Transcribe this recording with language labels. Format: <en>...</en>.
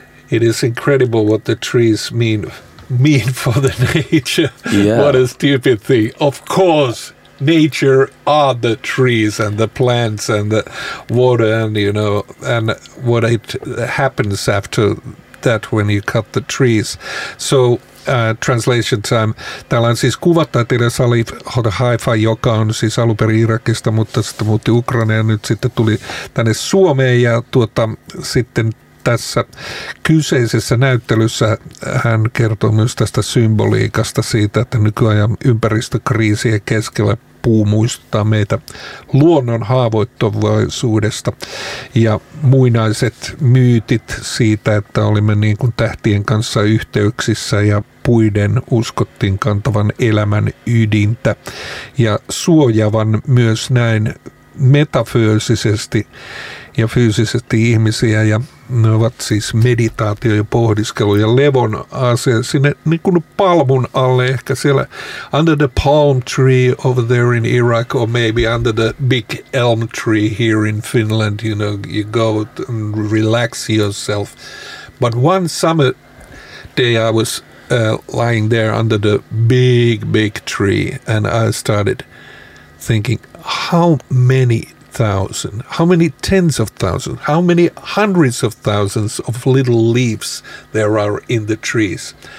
<en>It is incredible what the trees mean for the nature. Yeah. What a stupid thing. Of course, nature are the trees and the plants and the water and, you know, and what happens after that when you cut the trees. So translation time.</en> <fi>Täällä on siis kuvataiteilija Salif Haifa, joka on siis alunperin Irakista, mutta sitten muutti Ukrainaan ja nyt sitten tuli tänne Suomeen. Ja sitten tässä kyseisessä näyttelyssä hän kertoo myös tästä symboliikasta siitä, että nykyajan ympäristökriisiä keskellä puu muistuttaa meitä luonnon haavoittuvaisuudesta ja muinaiset myytit siitä, että olimme niin kuin tähtien kanssa yhteyksissä ja puiden uskottiin kantavan elämän ydintä ja suojavan myös näin metafyysisesti ja fyysisesti ihmisiä ja ne ovat siis meditaatio ja pohdiskelu ja levon asia sinne niin kuin palmun alle, ehkä siellä</fi> <en>under the palm tree over there in Iraq or maybe under the big elm tree here in Finland, you know, you go and relax yourself. But one summer day I was lying there under the big tree and I started thinking, how many hundreds of thousands of little leaves there are in the trees.</en>